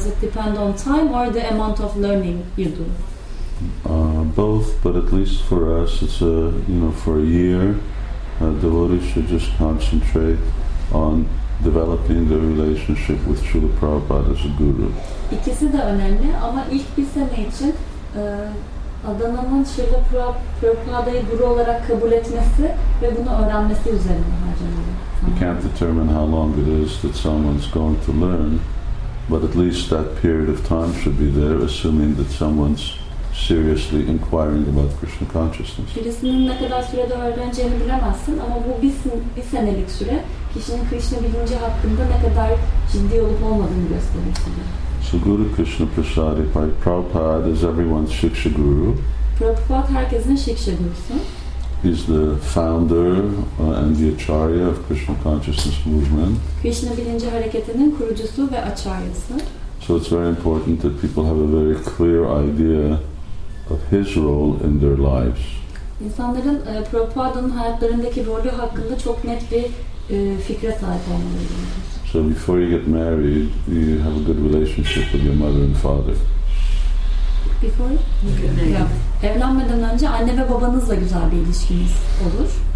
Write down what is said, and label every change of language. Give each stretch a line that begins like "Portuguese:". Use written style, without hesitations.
English: Does it depend on time or the amount of learning you do? Both, but at least for us, it's a, you know, for a year, a devotee should just concentrate on developing the relationship with Srila Prabhupada as a guru.
Turkish: İkisi de önemli ama ilk bir sene için Adana'nın Srila Prabhupada'yı guru olarak kabul etmesi ve bunu öğrenmesi üzerine harcanıyor.
English: You can't determine how long it is that someone's going to learn, but at least that period of time should be there, assuming that someone's seriously inquiring about Krishna consciousness.
Turkish: Birisinin ne kadar sürede öğreneceğini bilemezsin ama bu bir senelik süre kişinin Krishna bilinci hakkında ne kadar ciddi olup olmadığını gösterir.
English: So Guru Krishna Prasadi Pai Prabhupada is everyone's Shiksha Guru.
Turkish: Prabhupada herkesin Shiksha Gurusu.
English: He's the founder and the Acharya of Krishna Consciousness Movement.
Turkish: Krishna Bilinci Hareketi'nin kurucusu ve Acharyası.
English: So it's very important that people have a very clear idea of his role in their lives.
Turkish: İnsanların Prabhupada'nın hayatlarındaki rolü hakkında çok net bir fikre sahip olmalıydı.
English: So before you get married, you have a good relationship with your mother and father. Before? Yeah.
Turkish: Evlenmeden önce anne ve babanızla güzel bir ilişkiniz olur.